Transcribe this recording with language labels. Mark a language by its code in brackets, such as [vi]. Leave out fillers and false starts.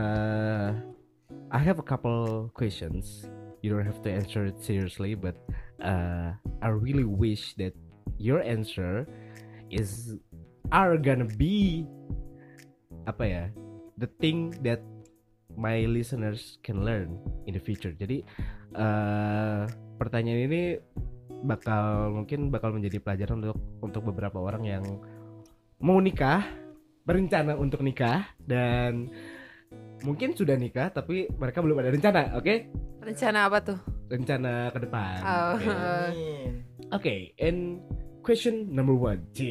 [en] Okay. I have a couple questions. You don't have to answer it seriously, but I really wish that your answer is are gonna be [id] apa ya? [en] The thing that my listeners can learn in the future. [id] Jadi pertanyaan ini bakal mungkin bakal menjadi pelajaran untuk beberapa orang yang mau nikah, berencana untuk nikah dan mungkin sudah nikah tapi mereka belum ada rencana, oke? Okay? Rencana apa tuh? Rencana ke depan. Oh. [en] Oke, okay, and question number one.